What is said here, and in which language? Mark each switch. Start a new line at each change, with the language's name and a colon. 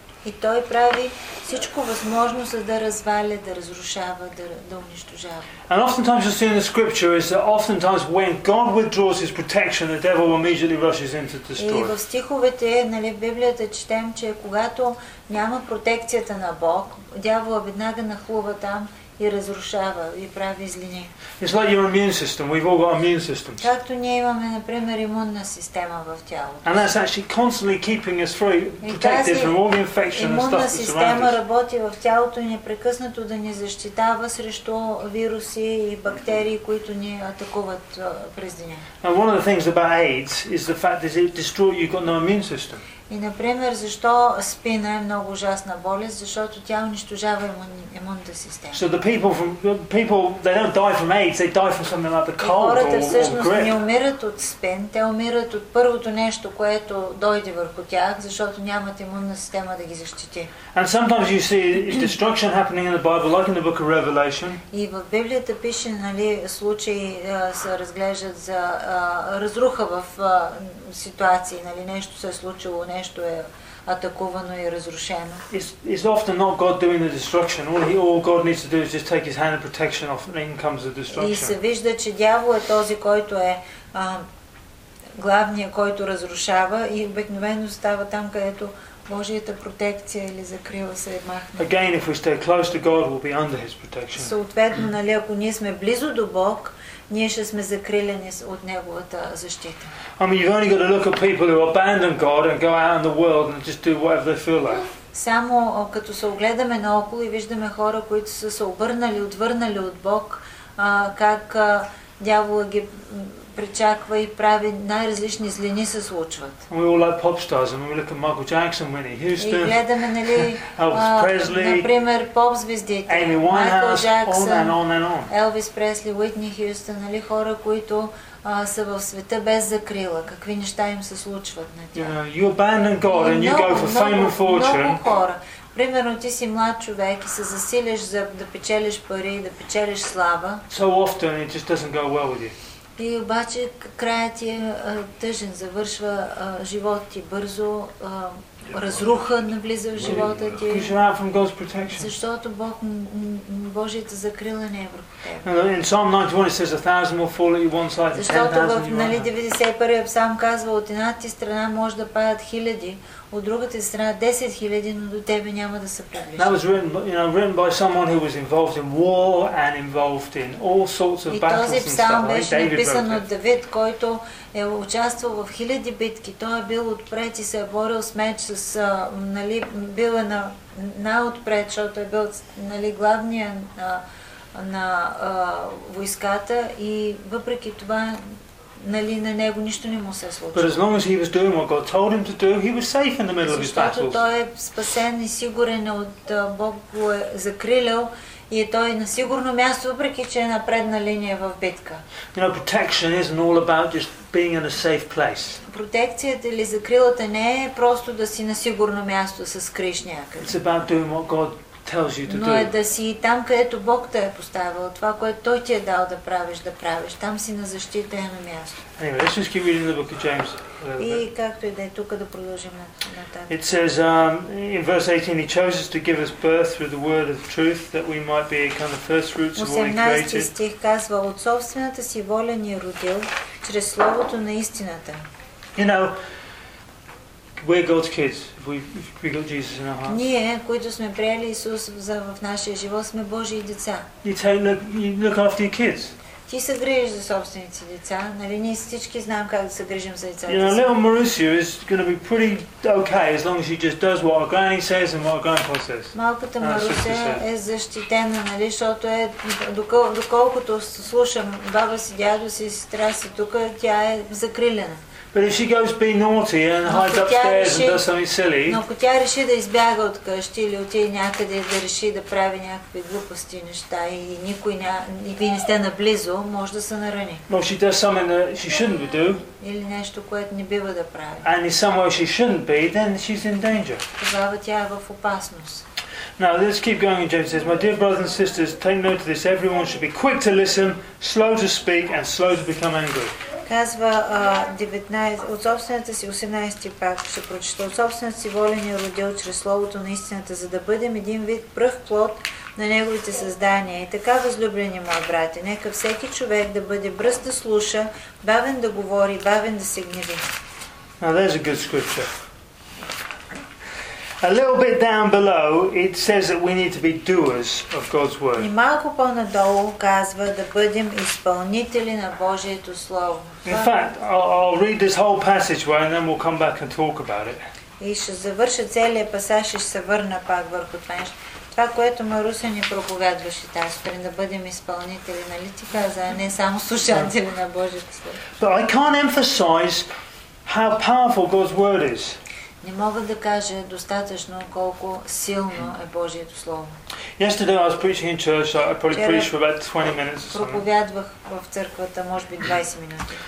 Bulgarian: И той прави всичко възможно, за да разваля, да разрушава, да унищожава.
English: And oftentimes you see in the scripture is that oftentimes when God withdraws his protection, the devil immediately rushes in to destroy.
Bulgarian: И в стиховете, нали, в Библията четем, че когато няма протекцията на Бог, дявола веднага нахлува там и разрушава, и прави злини.
English: It's like your immune system. We've all got immune systems.
Bulgarian: Както ние имаме, например, имунна система в тялото.
English: And that's actually constantly keeping us free, protected from all the infection and stuff that's
Bulgarian: Имунна система работи в тялото и непрекъснато да ни защитава срещу вируси и бактерии, които ни атакуват през деня.
English: And one of the things about AIDS is the fact that it destroys you, you've got no immune system.
Bulgarian: И, например, защо спина е много ужасна болест? Защото тя унищожава имунната система.
English: So the people, they don't die from AIDS, they die from something like the cold or grip.
Bulgarian: Хората всъщност не умират от спин, те умират от първото нещо, което дойде върху тях, защото нямат имунна система да ги защити.
English: And sometimes you see destruction happening in the Bible, like in the book of Revelation.
Bulgarian: И в Библията пише, нали, случаи се разглеждат за разруха в ситуации, нали, нещо се е случило, нещо е атакувано и разрушено.
English: It's often not God doing the destruction. All God needs to do is just take his hand of protection off and in comes the destruction.
Bulgarian: И се вижда, че дявол е този, който е главният, който разрушава и обикновено става там, където Божията протекция или закрила се е махна.
English: Again, if we stay close to God, we'll be under his protection.
Bulgarian: Съответно, нали, ако ние сме близо до Бог, ние ще сме закрилени от неговата защита.
English: I mean, you've only got to look at people who abandon God and go out in the world and just do whatever they feel like.
Bulgarian: Само като се огледаме наоколо и виждаме хора, които са се обърнали, отвърнали от Бог, как дяволът ги причаква и прави най-различни злини се случват.
English: We all like pop stars and we look at Michael Jackson, Whitney Houston.
Bulgarian: И гледаме, нали,
English: Elvis Presley.
Bulgarian: Например, поп звездите.
English: Amy Winehouse, on and on and on.
Bulgarian: Elvis Presley, Whitney Houston, нали, хора, които са в света без закрила. Какви неща им се случват на тях?
English: You abandon God and you go for fame and fortune.
Bulgarian: Много хора. Примерно ти си млад човек и се засилиш за да печелиш пари, да печелиш слава.
English: So often it just doesn't go well with you.
Bulgarian: И обаче краят е тъжен, завършва живот ти бързо, разруха навлиза в живота ти. Защото Бог, Божията закрила не е върху теб.
English: In Psalm 91 it says a thousand will fall at your one side.
Bulgarian: Защото в 91-я псалм казва, от една ти страна може да падат хиляди, от другата страна 10 000, но до тебе няма да се приближи.
English: That was written, you know, written by someone who was involved in war and involved in all sorts of battles.
Bulgarian: И този псалм беше написан от Давид, който е участвал в хиляди битки. Той е бил отпред и се е борил с меч, с, нали, бил е най-отпред, защото е бил, нали, главния на войската, и въпреки това, нали, на него нищо не му се случва.
English: But as long as he was doing what God told him to do, he was safe in the middle of his battles.
Bulgarian: Защото той е спасен и сигурен, от Бог го е закрилял и е той на сигурно място, въпреки че е на предна линия в битка.
English: You know, protection isn't all about just being in a safe place.
Bulgarian: Протекцията или закрилата не е просто да си на сигурно място, да се скриш някъде.
English: It's about doing what God tells you to do.
Bulgarian: Но е да си там, където Бог те е поставил, това, което Той ти е дал да правиш, да правиш. Там си на защита е на място.
English: Anyway, let's just keep reading the book of James.
Bulgarian: И както и да е, тук да продължим на тази.
English: It says in verse 18, He chose us to give us birth through the word of truth, that we might be kind of first fruits of all He created.
Bulgarian: 18 стих казва, от собствената си воля ни е родил, чрез словото на истината.
English: You know, we're God's kids. We got Jesus in our hearts.
Bulgarian: Ние, които сме приели Исус за в нашия живот, сме Божии деца.
English: You look after your kids.
Bulgarian: Ти се грижиш за собствените деца, нали? Ние всички знаем как да се грижим за децата.
English: You know, little Marusia is going to be pretty okay as long as she just does what her granny says and what her grandpa says.
Bulgarian: Малката Маруся е защитена, нали? Защото е, доколкото слушам баба си, дядо си, сестра си тук, тя е закрилена.
English: But if she goes be naughty and hides upstairs and does something silly.
Bulgarian: Но ако тя реши да избяга от къщи или отиде някъде да реши да прави някакви глупости неща и никой вие не сте наблизо, може да се нарани.
English: Well, she does something that she shouldn't do.
Bulgarian: Или нещо, което не бива да прави.
English: And if somewhere she shouldn't be, then she's in danger.
Bulgarian: Тогава тя е в опасност.
English: Now let's keep going. And James says, my dear brothers and sisters, take note of this. Everyone should be quick to listen, slow to speak, and slow to become angry.
Bulgarian: Казва 19, от собствената си, 18 пак ще прочета, от собствената си воля ни е родил чрез Словото на истината, за да бъдем един вид пръв плод на Неговите създания. И така, възлюблени мои брати, нека всеки човек да бъде бръз да слуша, бавен да говори, бавен да се гневи.
English: Now there's a good scripture. A little bit down below, it says that we need to be doers of God's word.
Bulgarian: И малко по-надолу казва да бъдем изпълнители на Божието слово.
English: In fact, I'll read this whole passage where, and then we'll come back and talk about it.
Bulgarian: И ще завърша целия пасаж и ще се върна пак върху това нещо. Това, което Маруся ни проповядваше тази сутрин, да бъдем изпълнители, нали ти каза, а не само слушатели на Божието слово.
English: But I can't emphasize how powerful God's word is.
Bulgarian: Не мога да кажа достатъчно колко силно е Божието слово.
English: Yesterday I was preaching in church, so I probably preached for about 20 minutes.
Bulgarian: Проповядвах в църквата, може би 20 минути.